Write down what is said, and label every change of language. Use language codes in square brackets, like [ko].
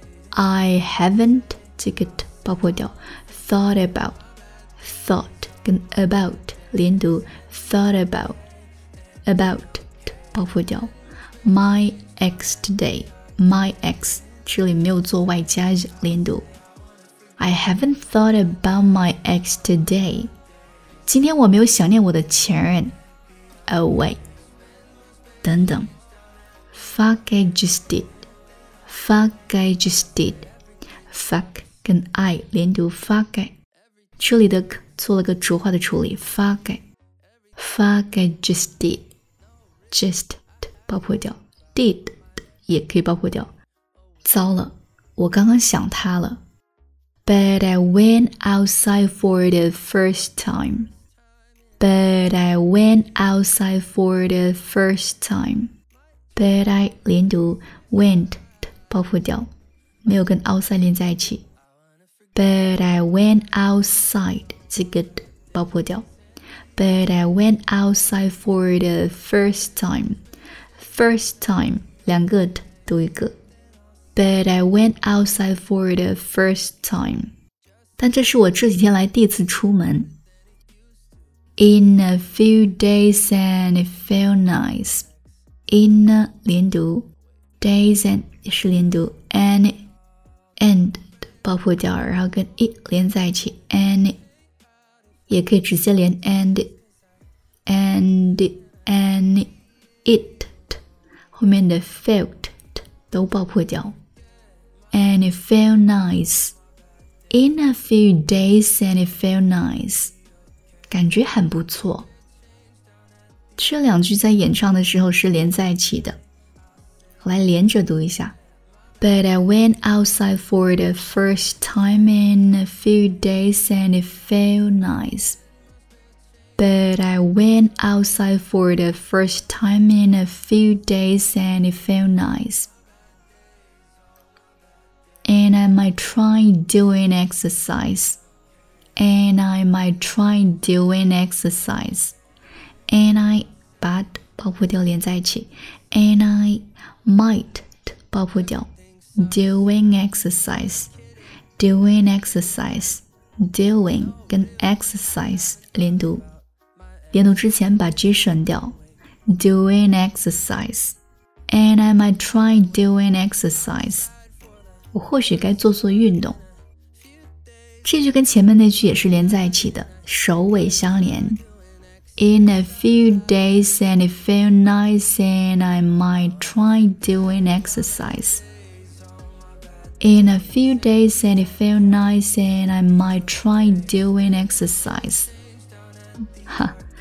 [en] I haven't 这个 t 爆破掉 thought about thought 跟 about 连读 thought about about 爆破掉 my ex today my ex [zh] 这里没有做外加连读 [en] I haven't thought about my ex today. [zh] 今天我没有想念我的前任。 [en] Oh wait. [zh] 等等。 [en] Fuck I just did. Fuck I just did. Fuck 跟 I 连读 fuck I. [zh] 这里的 k 做了个浊化的处理 fuck I. [en] Fuck I just did. [zh] Just 爆破掉。Did 也可以爆破掉。糟了，我刚刚想他了。 [en] But I went outside for the first time. But I went outside for the first time. [zh] But I 连读 went 爆破掉，没有跟 outside 连在一起。 [en] But I went outside 这个 d 爆破掉。 But I went outside for the first time. First time [zh] 两个 d 读一个。 [en] But I went outside for the first time. [zh] 但这是我这几天来第一次出门。 [en] In a few days and it felt nice. In a 连读 days and 也是连读 and 爆破掉， [zh] 然后跟 it 连在一起 [en] and it, 也可以直接连 and it 后面的 felt 都爆破掉 and it felt nice. In a few days and it felt nice. [zh] 感觉很不错。这两句在演唱的时候是连在一起的。来连着读一下。 [en] But I went outside for the first time in a few days and it felt nice. But I went outside for the first time in a few days and it felt nice. And I might try doing exercise. And I might try doing exercise. And I, but, [zh] 爆破掉连在一起。 [en] And I might, 爆破掉。 Doing exercise. Doing exercise. [zh] Doing 跟 exercise 连读。连读之前把 G 省掉。 [en] Doing exercise. And I might try doing exercise. [zh] 我或许该做做运动。这句跟前面那句也是连在一起的，首尾相连。 [en] In a few days and it felt nice and I might try doing exercise. In a few days and it felt nice and I might try doing exercise. [zh] 哈，